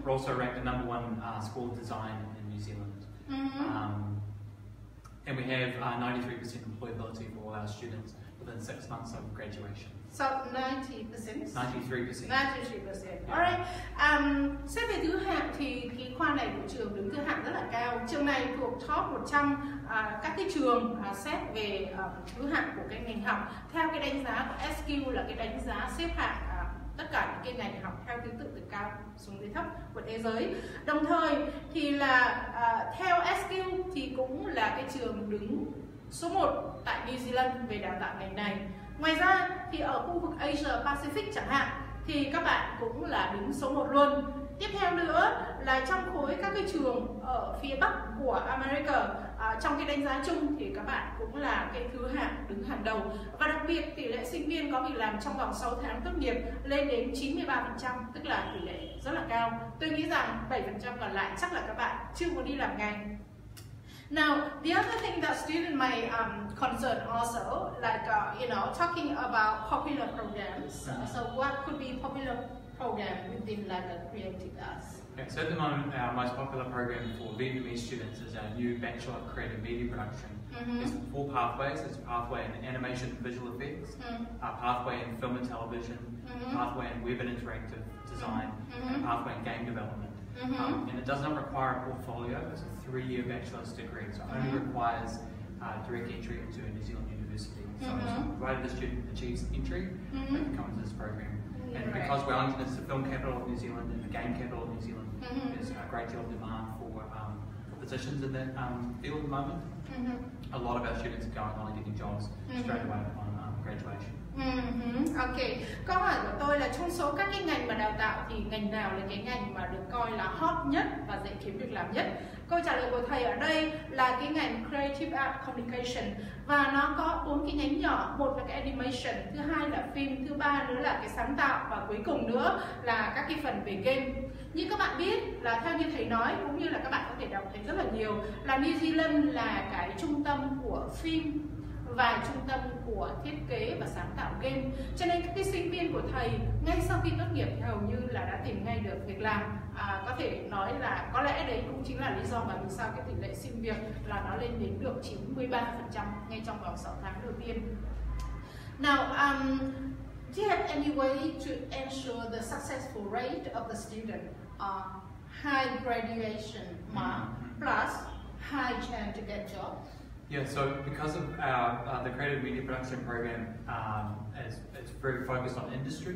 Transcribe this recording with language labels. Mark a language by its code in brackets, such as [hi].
[en] We're also ranked the number one school of design in New Zealand. Mm-hmm. And we have 93% employability for all our students within 6 months of graduation. So 90%. 93%. Yeah. All right. [vi] Sếp về thứ hạng thì cái khoa này của trường đứng thứ hạng rất là cao. Trường này thuộc top 100 các cái trường xét về thứ hạng của cái ngành học theo cái đánh giá của SQ, là cái đánh giá xếp hạng tất cả những cái ngành học theo thứ tự từ cao xuống đến thấp của thế giới. Đồng thời thì là theo SQ thì cũng là cái trường đứng số 1 tại New Zealand về đào tạo ngành này. Ngoài ra thì ở khu vực Asia Pacific chẳng hạn thì các bạn cũng là đứng số 1 luôn. Tiếp theo nữa là trong khối các cái trường ở phía Bắc của America, trong cái đánh giá chung thì các bạn cũng là cái thứ hạng đứng hàng đầu. Và đặc biệt tỷ lệ sinh viên có việc làm trong vòng 6 tháng tốt nghiệp lên đến 93%, tức là tỷ lệ rất là cao. Tôi nghĩ rằng 7% còn lại chắc là các bạn chưa muốn đi làm ngay. [en] Now, the other thing that student may concern also, like, you know, talking about popular programs. So what could be popular program within like a creative arts? Yeah, so at the moment, our most popular program for Vietnamese students is our new Bachelor of Creative Media Production. Mm-hmm. There's four pathways. There's a pathway in animation and visual effects, mm-hmm. a pathway in film and television, mm-hmm. a pathway in web and interactive design, mm-hmm. and a pathway in game development. Mm-hmm. And it does not require a portfolio. It's a three-year bachelor's degree, so it only requires direct entry into a New Zealand university. So provided the student achieves entry, mm-hmm. they can come into this program. Yeah, and right. Because Wellington is the film capital of New Zealand and the game capital of New Zealand, mm-hmm. there's a great deal of demand for positions in that field at the moment. Mm-hmm. A lot of our students are going on and getting jobs mm-hmm. straight away upon graduation. Mm-hmm. [vi] Ok, câu hỏi của tôi là trong số các cái ngành mà đào tạo thì ngành nào là cái ngành mà được coi là hot nhất và dễ kiếm việc làm nhất? Câu trả lời của thầy ở đây là cái ngành Creative Art Communication, và nó có bốn cái nhánh nhỏ: một là cái animation, thứ hai là phim, thứ ba nữa là cái sáng tạo, và cuối cùng nữa là các cái phần về game. Như các bạn biết là theo như thầy nói cũng như là các bạn có thể đọc thấy rất là nhiều, là New Zealand là cái trung tâm của phim và trung tâm của thiết kế và sáng tạo game. Cho nên các cái sinh viên của thầy ngay sau khi tốt nghiệp hầu như là đã tìm ngay được việc làm. Có thể nói là có lẽ đấy cũng chính là lý do mà vì sao cái tỷ lệ xin việc là nó lên đến được 93% ngay trong vòng 6 tháng đầu tiên. [en] Now, do you have any way to ensure the successful rate of the student high graduation mark plus high chance to get job? Yeah, so because of our the creative media production program, it's very focused on industry.